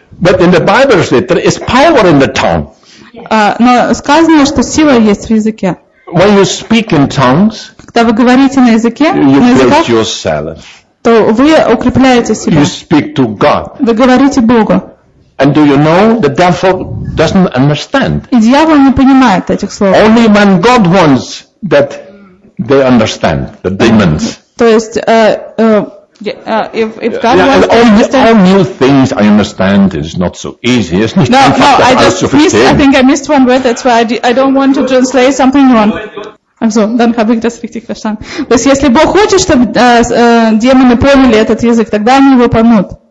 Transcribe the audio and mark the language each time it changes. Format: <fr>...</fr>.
<en>But in the Bible said there is power in the tongue.</en> <ru>Но сказано, что сила есть в языке.</ru> <en>When you speak in tongues,</en> <ru>когда вы говорите на языке, you на языках,</ru> <en>build yourself.</en> <ru>То вы укрепляете себя.</ru> <en>You speak to God.</en> <ru>Вы говорите Богу.</ru> <en>And do you know the devil doesn't understand?</en> <ru>И дьявол не понимает этих слов.</ru> <en>Only when God wants that they understand the demons.</en> <ru>То есть если Бог хочет, чтобы демоны поняли этот язык, тогда они его поймут.</ru>